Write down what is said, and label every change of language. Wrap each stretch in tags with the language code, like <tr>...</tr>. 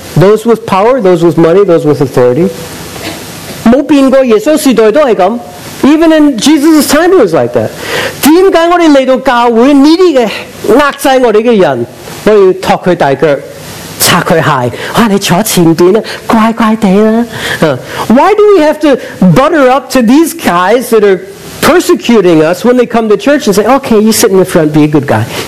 <en>Those with power, those with money, those with authority.</en> <yue>冇變過，耶穌時代都係咁。</yue> <en>Even in Jesus' time, it was like that.</en> <yue>點解我哋嚟到教會呢啲嘅壓制我哋嘅人，我要托佢大腳？</yue> <en>Why do we have to butter up to these guys that are persecuting us when they come to church and say, okay, you sit in the front, be a good guy?</en>